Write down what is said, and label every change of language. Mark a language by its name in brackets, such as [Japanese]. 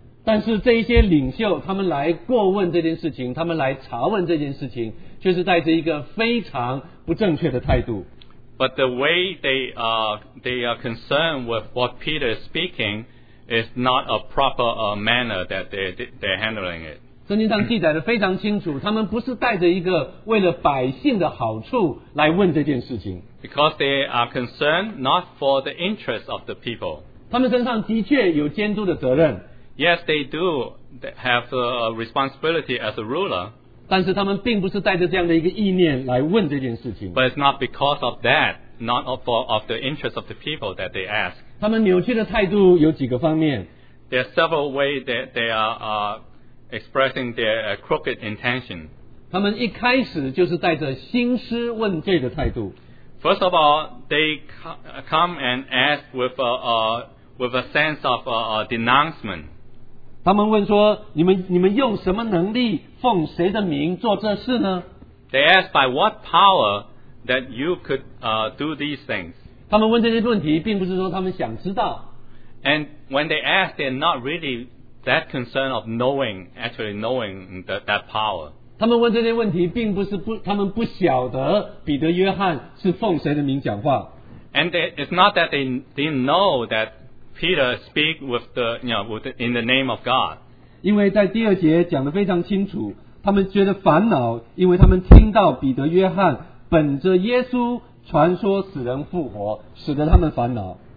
[Chinese] 但是这一些领袖他们来过问这件事情，他们来查问这件事情，却是带着一个非常不正确的态度。 [English] But the way they are concerned with what Peter is speaking is not a proper manner that they're handling it. [Chinese] 圣经上记载的非常清楚，他们不是带着一个为了百姓的好处来问这件事情。 [English] Because they are concerned not for the interests of the people. [Chinese] 他们身上的确有监督的责任。 [English] Yes, they do have a responsibility as a ruler. [Chinese] 但是他们并不是带着这样的一个意念来问这件事情。 [English] But it's not because of that, not of the interest of the people that they ask. [Chinese] 他们扭曲的态度有几个方面。 [English] There are several ways that they are expressing their crooked intention. [Chinese] 他们一开始就是带着兴师问罪的态度。 [English] First of all, they come and ask with a sense of denouncement. [Chinese] 他们问说，你们用什么能力奉谁的名做这事呢？ [English] They ask by what power that you could do these things. [Chinese] 他们问这些问题并不是说他们想知道。 [English] And when they ask, they're not really that concerned of knowing that power. [Chinese] 他们问这些问题并不是他们不晓得彼得约翰是奉谁的名讲话。 [English] And it's not that they didn't know that Peter speak with the, you know, with the, in the name of God. [Chinese] 因为在第二节讲得非常清楚，他们觉得烦恼，因为他们听到彼得约翰本着耶稣传说死人复活，使得他们烦恼。